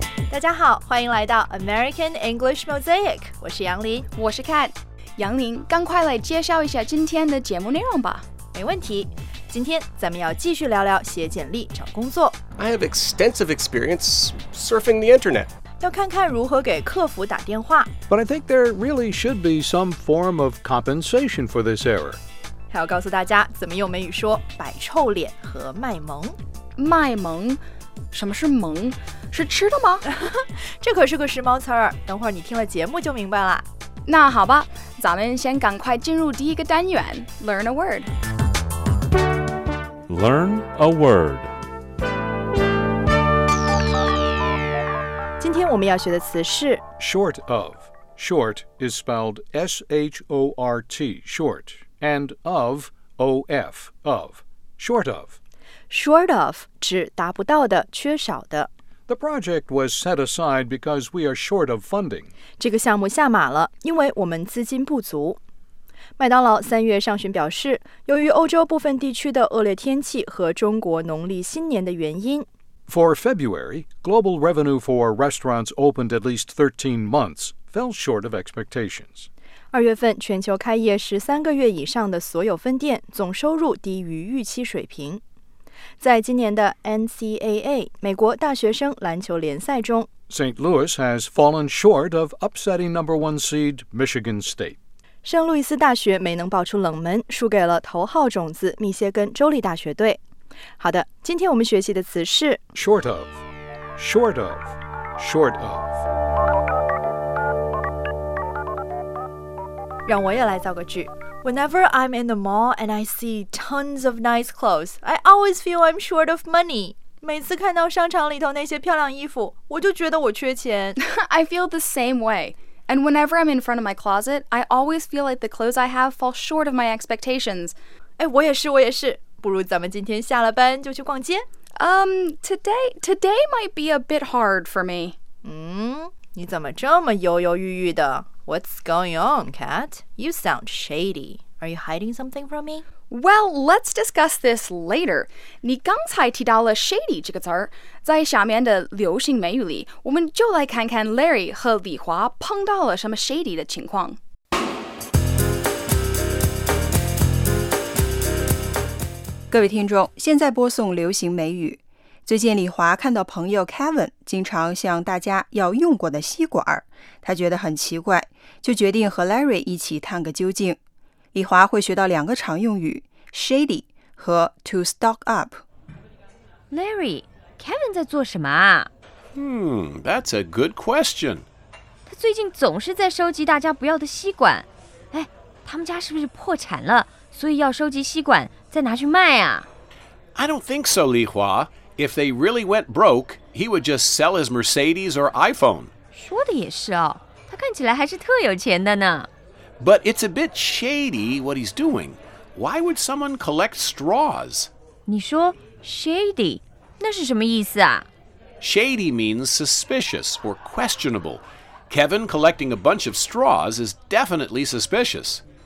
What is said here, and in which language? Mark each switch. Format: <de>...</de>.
<zh>大家好，欢迎来到 American English Mosaic， 我是杨林，我是 Kat。杨林，赶快来介绍一下今天的节目内容吧。没问题，今天咱们要继续聊聊写简历找工作。</zh> <en>I have extensive experience surfing the internet.</en> <zh>要看看如何给客服打电话。</zh> <en>But I think there really should be some form of compensation for this error.</en> <zh>还要告诉大家怎么用美语说摆臭脸和卖萌。卖萌？什么是萌？是吃的吗？这可是个时髦词儿，等会儿你听了节目就明白了。那好吧，咱们先赶快进入第一个单元 ，</zh> <en>Learn a word。 Learn a word。</en> <zh>今天我们要学的词是</zh> <en>short of. Short is spelled S-H-O-R-T, short, and of, O-F, of, short of.</en> <zh>Short of 指达不到的、缺少的。</zh> <en>The project was set aside because we are short of funding.</en> <zh>这个项目下马了，因为我们资金不足。麦当劳三月上旬表示，由于欧洲部分地区的恶劣天气和中国农历新年的原因，</zh> <en>For February, global revenue for restaurants opened at least 13 months fell short of expectations.</en> <zh>二月份全球开业13个月以上的所有分店总收入低于预期水平。在今年的 NCAA, 美国大学生篮球联赛中</zh> <en>St. Louis has fallen short of upsetting number one seed Michigan State.</en> <zh>圣路易斯大学没能爆出冷门，输给了头号种子密歇根州立大学队。好的，今天我们学习的词是</zh> <en>short of, short of, short of。</en> <zh>让我也来造个句。</zh> <en>Whenever I'm in the mall and I see tons of nice clothes, I always feel I'm short of money.</en> <zh>每次看到商场里头那些漂亮衣服，我就觉得我缺钱。</zh> <en>I feel the same way. And whenever I'm in front of my closet, I always feel like the clothes I have fall short of my expectations.</en> <zh>哎，我也是，我也是。不如咱们今天下了班就去逛街。</zh> <en>Today might be a bit hard for me.</en> <zh>你怎么这么犹犹豫豫的？</zh> <en>What's going on, Kat? You sound shady. Are you hiding something from me? Well, let's discuss this later.</en> <zh>你刚才提到了 shady 这个词儿，在下面的流行美语里，我们就来看看 Larry 和李华碰到了什么 shady 的情况。各位听众，现在播送流行美语。最近李华看到朋友 Kevin 经常向大家要用过的吸管，他觉得很奇怪，就决定和 Larry 一起探个究竟。李华会学到两个常用语 shady 和</zh> <en>to stock up。</en> <zh>Larry， Kevin 在做什么啊？</zh> <en>That's a good question。</en> <zh>他最近总是在收集大家不要的吸管。哎，他们家是不是破产了，所以要收集吸管再拿去卖啊？</zh> <en>I don't think so, Li Hua. If they really went broke, he would just sell his Mercedes or iPhone.</en> <zh>说的也是哦，他看起来还是特有钱的呢。</zh> <en>But it's a bit shady what he's doing. Why would someone collect straws?</en> <zh>你说 shady, 那是什么意思啊？</zh> <en>Shady means suspicious or questionable. Kevin collecting a bunch of straws is definitely suspicious.</en>